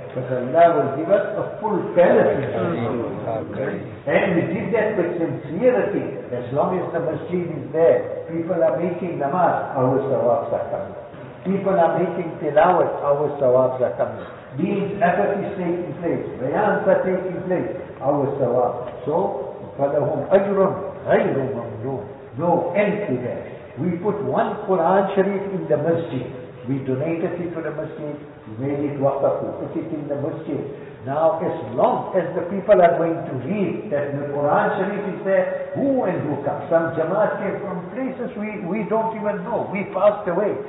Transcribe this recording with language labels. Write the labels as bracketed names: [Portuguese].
[English] But Allah will give us a full palace in Jannah. And we did that with sincerity. As long as the masjid is there, people are making namaz, our sawabs are coming. People are making tilawat, our sawabs are coming. These effort is taking place, rayans are taking place, our sawab. [Arabic] So, فَلَهُمْ أَجْرٌ غَيْرُ مَمْنُونَ. [English] No end to that. We put one Quran Sharif in the masjid. We donated it to the masjid. We made it waqaf. We put it in the masjid. Now as long as the people are going to read that the Quran Sharif is there, who and who comes? Some jamaat came from places we don't even know. We passed away.